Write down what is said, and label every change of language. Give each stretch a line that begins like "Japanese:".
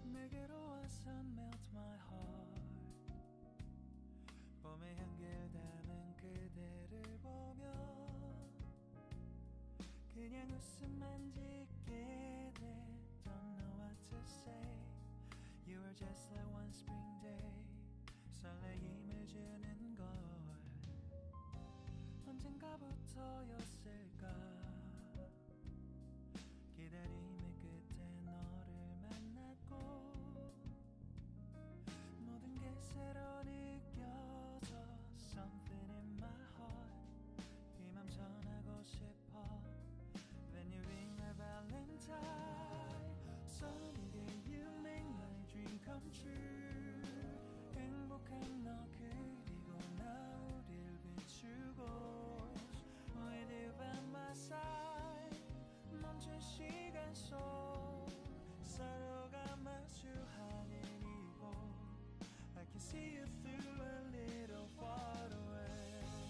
Korean: 들어와서
English: melt my heart.
Korean: 봄의 향기를 담은 그대를 보며 그냥 웃음만 짓게 돼.
English: Don't know what to say. You are just like one spring day.
Korean: 설레임을 주는 걸 언젠가부터였을까. 기다림의 끝에 너를 만났고 모든 게 새로 느껴져.
English: Something in my heart.
Korean: 이 맘 전하고 싶어.
English: When you ring my valentine. Someday you make my dream come true.
Korean: 행복한 너 그리고 나 우릴 비추고.
English: With you by my side.
Korean: 멈춘 시간 속 서로가 마주하는 이곳.
English: I can see you through a little far away.